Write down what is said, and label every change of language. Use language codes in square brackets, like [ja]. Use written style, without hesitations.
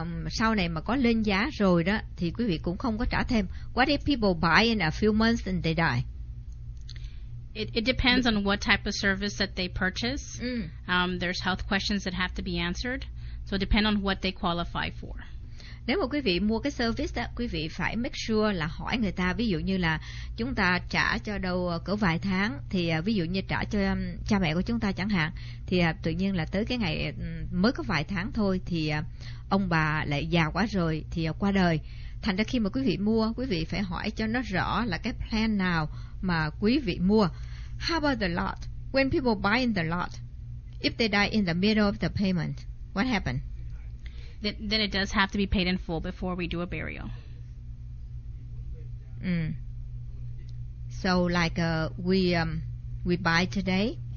[vi] Sau này mà có lên giá rồi đó thì quý vị cũng không có trả thêm. [en] What if people buy in a few months and they die? It depends on what type of service that they purchase. Mm. There's health questions that have to be answered. So it depends on what they qualify for. [vi] Nếu mà quý vị mua cái service đó, quý vị phải [en] make sure [vi] là hỏi người ta, ví dụ như là chúng ta trả cho đâu cỡ vài tháng, thì ví dụ như trả cho cha mẹ của chúng ta chẳng hạn, thì tự nhiên là tới cái ngày mới có vài tháng thôi, thì ông bà lại già quá rồi, thì qua đời. Thành ra khi mà quý vị mua, quý vị phải hỏi cho nó rõ là cái plan nào mà quý vị mua. [en] How about the lot? When people buy in the lot, if they die in the middle of the payment, what happened? Then it does have to be paid in full before we do a burial. Mm. So like we buy today,